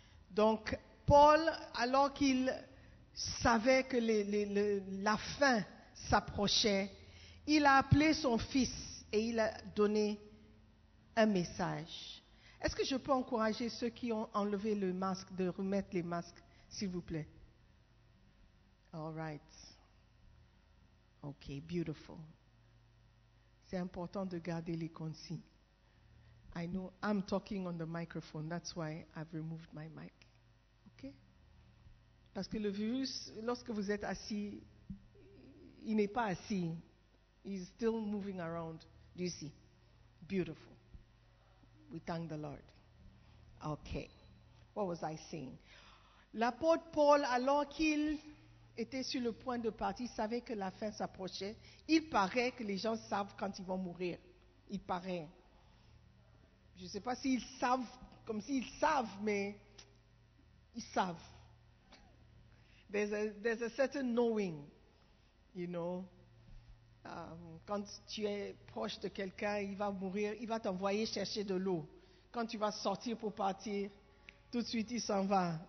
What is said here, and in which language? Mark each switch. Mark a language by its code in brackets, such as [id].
[fr] Donc, Paul, alors qu'il savait que la fin s'approchait, il a appelé son fils et il a donné un message. Est-ce que je peux encourager ceux qui ont enlevé le masque de remettre les masques, s'il vous plaît? [en] All right. Okay, beautiful. [fr] C'est important de garder les consignes. [en] I know I'm talking on the microphone, that's why I've removed my mic. Okay? [fr] Parce que le virus, lorsque vous êtes assis, il n'est pas assis. [en] He's still moving around. Do you see? Beautiful. We thank the Lord. Okay. What was I saying? [fr] L'apôtre Paul, alors qu'il était sur le point de partir, savait que la fin s'approchait. Il paraît que les gens savent quand ils vont mourir. Il paraît. Je ne sais pas s'ils savent, comme s'ils savent, mais ils savent. [en] There's a certain knowing, you know. [fr] Quand tu es proche de quelqu'un, il va mourir, il va t'envoyer chercher de l'eau. Quand tu vas sortir pour partir, tout de suite il s'en va.